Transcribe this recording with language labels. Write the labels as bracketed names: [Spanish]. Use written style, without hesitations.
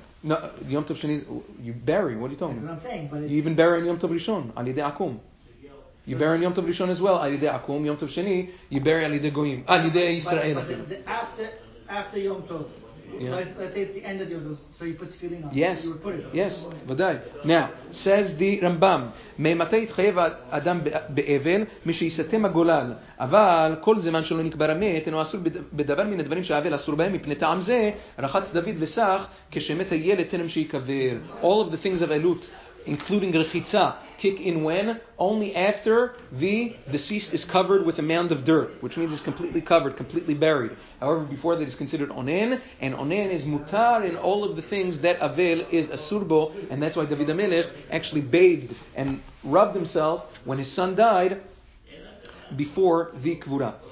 [English] No, Yom Tov Sheni, you bury. What are you talking about? That's what I'm saying. But you even bury in Yom Tov Rishon, Ali De Akum. You bury in Yom Tov Rishon as well, Ali De Akum. Yom Tov Sheni, you bury Ali De Goyim, Ali De Yisrael. But after Yom Tov, yeah. Let's say it's the end of the year, so you put you would put it on. Yes, vaday. Now, says the Rambam, [Hebrew] מימתי התחייב האדם באבל, מי שיסתם הגולל, אבל כל זמן שלא נקבר המת, אינו אסור בדבר מן הדברים שהאבל אסור בהם, מפני טעם זה, רחץ דוד וסך, כשמת הילד תנם שיקבר. [English] All of the things of אלות, including רחיצה, kick in when? Only after the deceased is covered with a mound of dirt, which means it's completely covered, completely buried. However, before that is considered onen, and onen is mutar in all of the things that avel is asurbo, and that's why David HaMelech actually bathed and rubbed himself when his son died before the kvura.